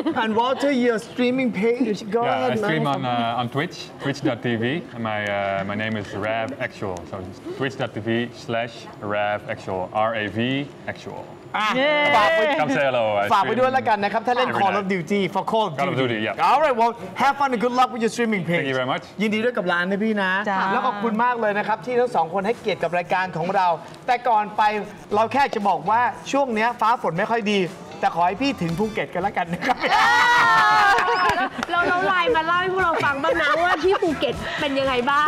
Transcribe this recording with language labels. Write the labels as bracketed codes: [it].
[en] And Walter your streaming page go ahead yeah I stream on Twitch twitch.tv my name is Rav Actual so twitch.tv/RavActual RavActual [th] ฝากไ [en] ว้ say hello [th] ฝากไว้ด้วยแล้วกันนะครับถ้าเล่น Call of Duty for Call of [en] Duty All right well have fun and good luck with your streaming page Thank you very much [th] ยินดีด้วยกับร้านนะพี่นะแล้วขอบคุณมากเลยนะครับที่ทั้งสองคนให้เกียรติกับรายการของเราแต่ก่อนไปเราแค่จะบอกว่าช่วงนี้ฟ้าฝนไม่ค่อยดีแต่ขอให้พี่ถึงภูเก็ตกันแล้วกันนะครับ เราไลน์มาเล่าให้พวกเราฟังบ้างนะว่าที่ภูเก็ตเป็นยังไงบ้าง